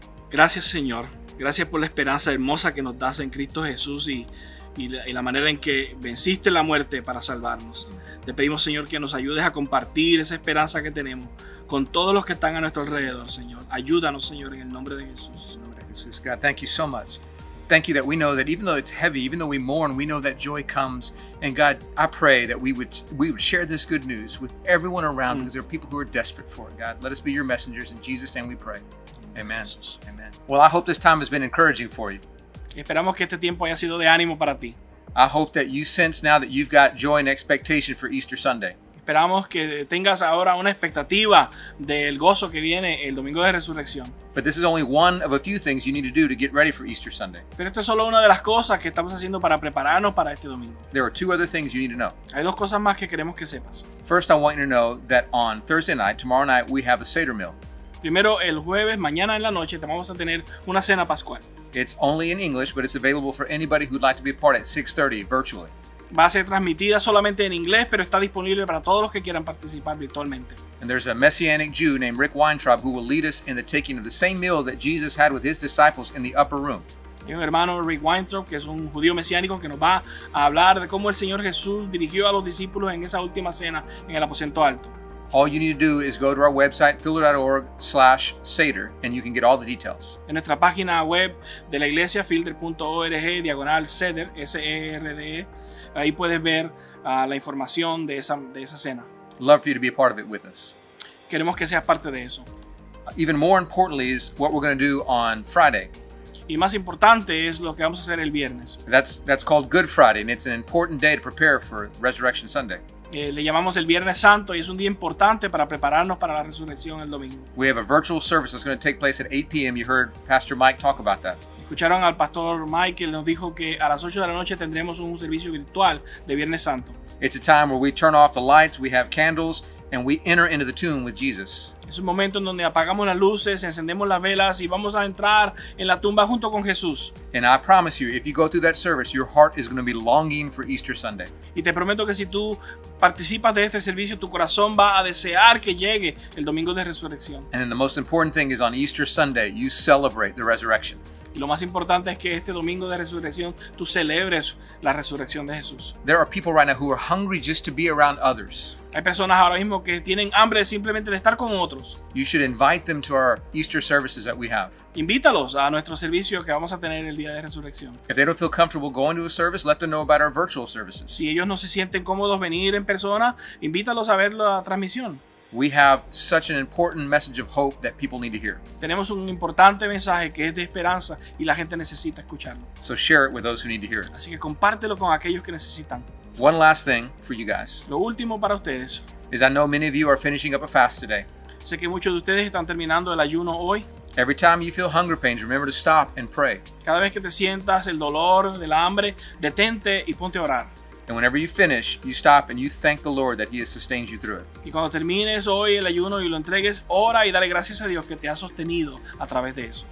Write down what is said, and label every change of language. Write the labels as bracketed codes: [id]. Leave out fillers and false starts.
[es] Gracias, Señor. Gracias por la esperanza hermosa que nos das en Cristo Jesús y la manera en que venciste la muerte para salvarnos. Te pedimos, Señor, que nos ayudes a compartir esa esperanza que tenemos con todos los que están a nuestro alrededor, Señor. Ayúdanos, Señor, en el nombre de Jesús. En el nombre de Jesús. [en] God, thank you so much. Thank you that we know that even though it's heavy, even though we mourn, we know that joy comes. And God, I pray that we would share this good news with everyone around because there are people who are desperate for it. God, let us be your messengers. In Jesus' name we pray. Amen. Amen. Well, I hope this time has been encouraging for you. [es] Esperamos que este tiempo haya sido de ánimo para ti. [en] I hope that you sense now that you've got joy and expectation for Easter Sunday. [es] Esperamos que tengas ahora una expectativa del gozo que viene el domingo de resurrección. [en] But this is only one of a few things you need to do to get ready for Easter Sunday. [es] Pero esto es solo una de las cosas que estamos haciendo para prepararnos para este domingo. [en] There are two other things you need to know. [es] Hay dos cosas más que queremos que sepas. [en] First, I want you to know that on Thursday night, tomorrow night, we have a Seder meal. [es] Primero, el jueves, mañana en la noche, te vamos a tener una cena pascual. [en] It's only in English, but it's available for anybody who'd like to be a part at 6:30 virtually. [es] Va a ser transmitida solamente en inglés, pero está disponible para todos los que quieran participar virtualmente. [en] And there's a Messianic Jew named Rick Weintraub who will lead us in the taking of the same meal that Jesus had with his disciples in the upper room. [es] Y un hermano, Rick Weintraub, que es un judío mesiánico, que nos va a hablar de cómo el Señor Jesús dirigió a los discípulos en esa última cena en el aposento alto. [en] All you need to do is go to our website, filter.org/Seder, and you can get all the details. [es] En nuestra página web de la iglesia, filter.org/Seder, S-E-R-D-E, ahí puedes ver la información de esa cena. [en] Love for you to be a part of it with us. [es] Queremos que seas parte de eso. [en] Even more importantly is what we're going to do on Friday. [es] Y más importante es lo que vamos a hacer el viernes. [en] That's called Good Friday, and it's an important day to prepare for Resurrection Sunday. [es] Le llamamos el Viernes Santo y es un día importante para prepararnos para la resurrección el domingo. [en] We have a virtual service that's going to take place at 8 p.m. You heard Pastor Mike talk about that. [es] Escucharon al Pastor Mike, él nos dijo que a las 8 de la noche tendremos un servicio virtual de Viernes Santo. [en] It's a time where we turn off the lights, we have candles, and we enter into the tomb with Jesus. [es] Es un momento en donde apagamos las luces, encendemos las velas y vamos a entrar en la tumba junto con Jesús. [en] And I promise you, if you go through that service, your heart is going to be longing for Easter Sunday. [es] Y te prometo que si tú participas de este servicio, tu corazón va a desear que llegue el domingo de resurrección. [en] And then the most important thing is on Easter Sunday, you celebrate the resurrection. [es] Y lo más importante es que este domingo de resurrección, tú celebres la resurrección de Jesús. [en] There are people right now who are hungry just to be around others. [es] Hay personas ahora mismo que tienen hambre simplemente de estar con otros. [en] You should invite them to our Easter services that we have. [es] Invítalos a nuestro servicio que vamos a tener el día de resurrección. [en] If they don't feel comfortable going to a service, let them know about our virtual services. [es] Si ellos no se sienten cómodos venir en persona, invítalos a ver la transmisión. [en] We have such an important message of hope that people need to hear. [es] Tenemos un importante mensaje que es de esperanza y la gente necesita escucharlo. [en] So share it with those who need to hear it. [es] Así que compártelo con aquellos que necesitan. [en] One last thing for you guys. [es] Lo último para ustedes. [en] Is I know many of you are finishing up a fast today. [es] Sé que muchos de ustedes están terminando el ayuno hoy. [en] Every time you feel hunger pains, remember to stop and pray. [es] Cada vez que te sientas el dolor del hambre, detente y ponte a orar. [en] And whenever you finish, you stop and you thank the Lord that He has sustained you through it. [es] Y cuando termines hoy el ayuno y lo entregues, ora y dale gracias a Dios que te ha sostenido a través de eso.